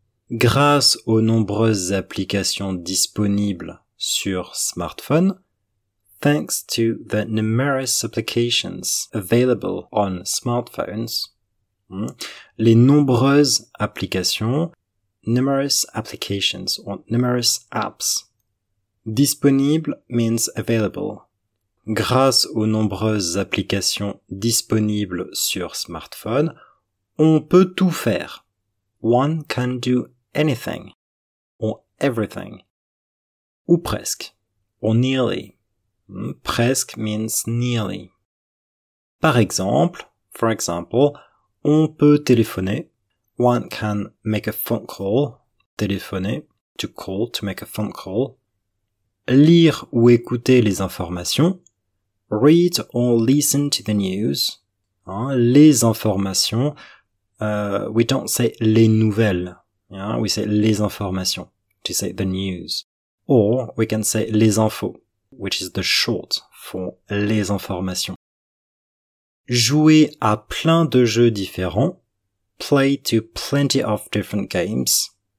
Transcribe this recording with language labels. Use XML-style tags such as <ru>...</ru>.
<fr>Grâce aux nombreuses applications disponibles sur smartphone,</fr> <en>thanks to the numerous applications available on smartphones,</en> <fr>les nombreuses applications,</fr> <en>numerous applications or numerous apps. Disponible means available.</en> <fr>Grâce aux nombreuses applications disponibles sur smartphone, on peut tout faire.</fr> <en>One can do anything or everything.</en> <fr>Ou presque,</fr> <en>or nearly. Presque means nearly.</en> <fr>Par exemple,</fr> <en>for example,</en> <fr>on peut téléphoner.</fr> <en>One can make a phone call. Téléphoner, to call, to make a phone call.</en> <fr>Lire ou écouter les informations.</fr> <en>Read or listen to the news.</en> <fr>Hein, les informations.</fr> <en>We don't say</en> <fr>les nouvelles.</fr> <en>Hein, we say</en> <fr>les informations.</fr> <en>To say the news. Or we can say</en> <fr>les infos,</fr> <en>which is the short for</en> <fr>les informations. Jouer à plein de jeux différents.</fr> <en>Play to plenty of different games.</en>